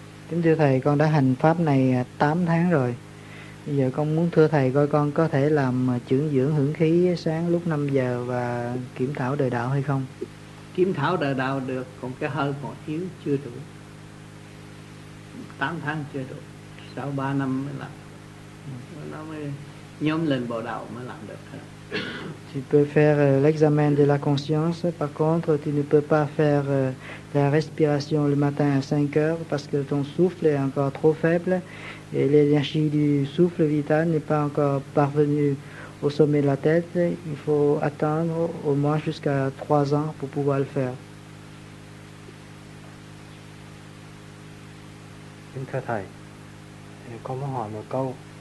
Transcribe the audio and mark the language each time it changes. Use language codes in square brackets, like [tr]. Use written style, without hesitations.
[vi] Kính thưa Thầy, con đã hành pháp này 8 tháng rồi. Bây giờ con muốn thưa Thầy coi con có thể làm chuyển dưỡng hưởng khí sáng lúc 5 giờ và kiểm thảo đời đạo hay không? Kiểm thảo đời đạo được, còn cái hơi còn yếu chưa đủ. 8 tháng chưa đủ, sau 3 năm mới làm. Nó mới nhóm lên bộ đạo mới làm được. [fr] Tu peux faire l'examen de la conscience, par contre tu ne peux pas faire la respiration le matin à 5 heures parce que ton souffle est encore trop faible et l'énergie du souffle vital n'est pas encore parvenue au sommet de la tête. Il faut attendre au moins jusqu'à 3 ans pour pouvoir le faire. [vi] Thưa Thầy, con muốn hỏi một câu.